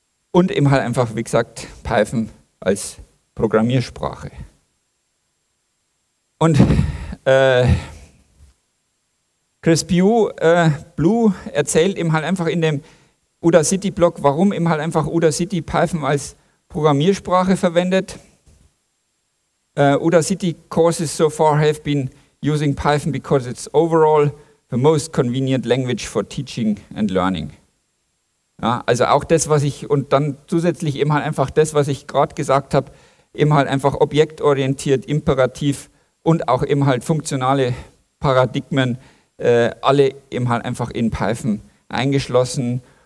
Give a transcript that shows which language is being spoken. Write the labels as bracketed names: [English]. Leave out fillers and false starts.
[German] Und eben halt einfach, wie gesagt, Python als Programmiersprache. Und Chris Pugh Blue erzählt eben halt einfach in dem Udacity-Blog, warum eben halt einfach Udacity Python als Programmiersprache verwendet. [English] Udacity courses so far have been using Python because it's overall the most convenient language for teaching and learning. [German] Ja, also auch das, was ich, und dann zusätzlich eben halt einfach das, was ich gerade gesagt habe, eben halt einfach objektorientiert, imperativ und auch eben halt funktionale Paradigmen, alle eben halt einfach in Python eingeschlossen.